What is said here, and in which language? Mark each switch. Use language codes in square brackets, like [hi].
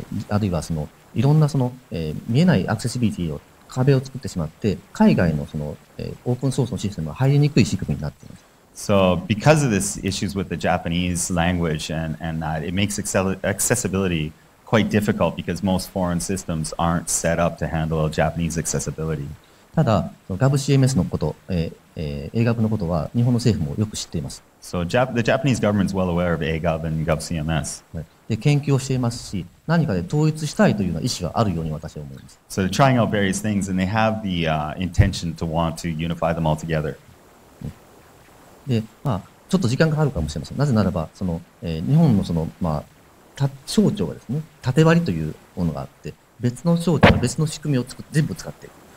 [ja] あるいはそのいろんなその、見えないアクセシビリティを壁を作ってしまって、海外のその、オープンソースのシステムが入りにくい仕組みになっています。 [en] So because of this issues with the Japanese language and that, it makes accessibility quite difficult because most foreign systems aren't set up to handle Japanese accessibility. [ja] ただ、GovCMS のこと、AGOV のことは日本の政府もよく知っています。 [en] So the Japanese government is well aware of AGOV and GovCMS. [ja] で、研究をしていますし、何かで統一したいというような意思があるように私は思います。 [en] So they're trying out various things and they have the intention to want to unify them all together. [ja] で、まあ、ちょっと時間がかかるかもしれません。なぜならば、その、日本のその、まあ、省庁がですね、縦割りというものがあって、別の省庁の別の仕組みを全部使っている。